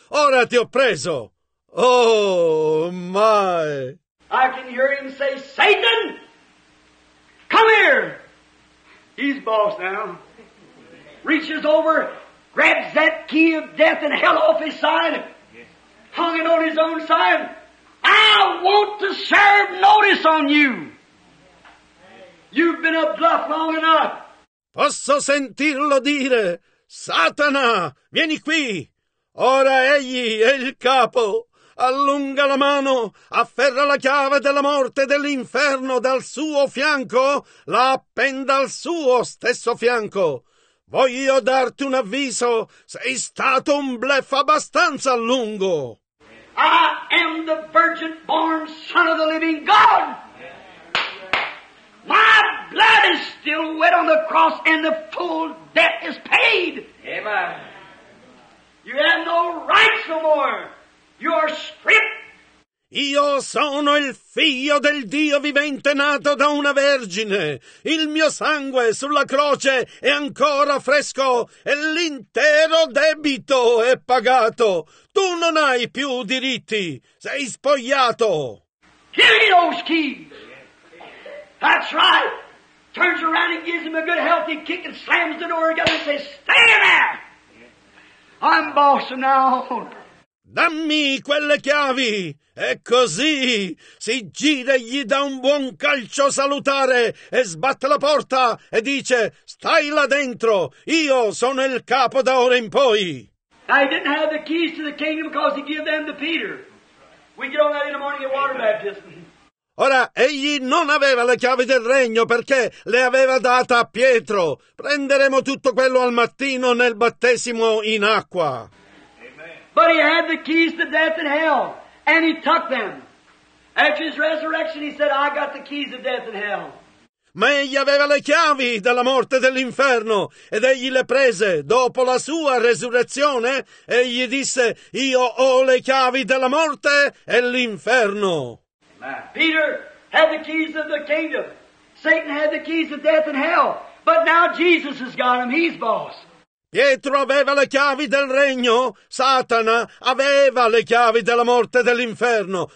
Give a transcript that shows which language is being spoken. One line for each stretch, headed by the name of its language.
Italian: Ora ti ho preso.
English: Oh, my! I can hear him say, Satan, come here! He's boss now. Reaches over, grabs that key of death and hell off his side, hung it on his own side. I want to serve notice on you. You've been a bluff long enough.
Italian: Posso sentirlo dire, Satana, vieni qui. Ora egli è il capo. Allunga la mano, afferra la chiave della morte e dell'inferno dal suo fianco, la appenda al suo stesso fianco. Voglio darti un avviso, sei stato un bluff abbastanza a lungo.
English: I am the virgin born son of the living God. My blood is still wet on the cross and the full debt is paid. Amen. You have no rights no more. You are stripped.
Italian: Io sono il figlio del Dio vivente nato da una vergine. Il mio sangue sulla croce è ancora fresco e l'intero debito è pagato. Tu non hai più diritti. Sei spogliato.
English: Give me those keys. That's right. Turns around and gives him a good healthy kick and slams the door together and says, stay in there! I'm boss now.
Italian: Dammi quelle chiavi! E così si gira e gli dà un buon calcio salutare e sbatte la porta e dice, stai là dentro, io sono il capo da ora in poi.
English: I didn't have the keys to the kingdom because he gave them to Peter. We get on that in the morning at water baptism.
Italian: Ora, egli non aveva le chiavi del regno perché le aveva date a Pietro. Prenderemo tutto quello al mattino nel battesimo in acqua. Amen.
English: But he had the keys to death and hell, and he took them. After his resurrection, he said, I got the keys of death and hell.
Italian: Ma egli aveva le chiavi della morte dell'inferno, ed egli le prese dopo la sua resurrezione, e gli disse, io ho le chiavi della morte e l'inferno.
English: Peter had the keys of the kingdom. Satan had the keys of death and hell. But now Jesus has got him. He's boss.
Italian: Pietro aveva le chiavi del regno. Satana aveva le chiavi della morte dell'inferno.